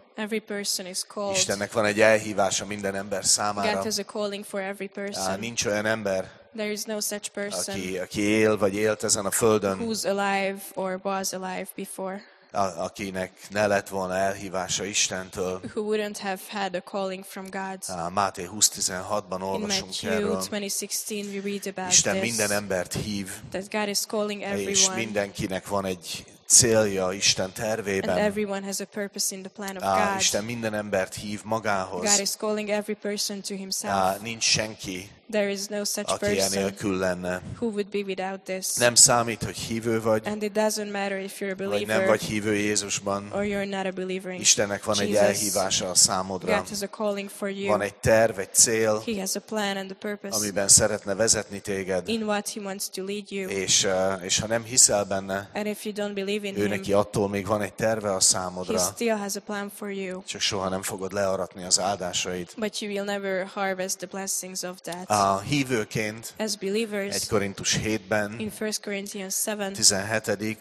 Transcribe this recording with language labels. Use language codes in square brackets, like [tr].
[en] Every person is called. [hu] Istennek van egy elhívása minden ember számára. [en] God has a calling for every person. [hu] Nincs olyan ember. [en] There is no such person. [hu] Aki él vagy élt ezen a földön. [en] Who's alive or was alive before? [hu] Akinek ne lett volna elhívása Istentől. [en] Who wouldn't have had a calling from God? [hu] Máté 20:16-ban olvasunk erről. [en] In Matthew 20:16 we read about this. [hu] Isten minden embert hív. [en] That God is calling everyone. [hu] És mindenkinek van egy célja Isten tervében. [en] And everyone has a purpose in the plan of God. [hu] Isten minden embert hív magához. [en] God is calling every person to himself. [hu] Nincs senki. [en] There is no such person who would be without this. [hu] Nem számít, hogy hívő vagy. [en] And it doesn't matter if you're a believer. [hu] Vagy nem vagy hívő Jézusban. [en] Or you're not a believer in [hu] Istennek van [en] Jesus. [hu] Egy elhívása a számodra. [en] God has a calling for you. [hu] Van egy terv, egy cél. [en] He has a plan and a purpose. [hu] Amiben szeretne vezetni téged. [en] In what he wants to lead you. [hu] És ha nem hiszel benne. [en] And if you don't believe in him. [hu] Őneki attól még van egy terve a számodra. [en] He still has a plan for you. [hu] Csak soha nem fogod learatni az áldásait. [en] But you will never harvest the blessings of that. [hu] A hívőként 1 Korintus 7-ben 17.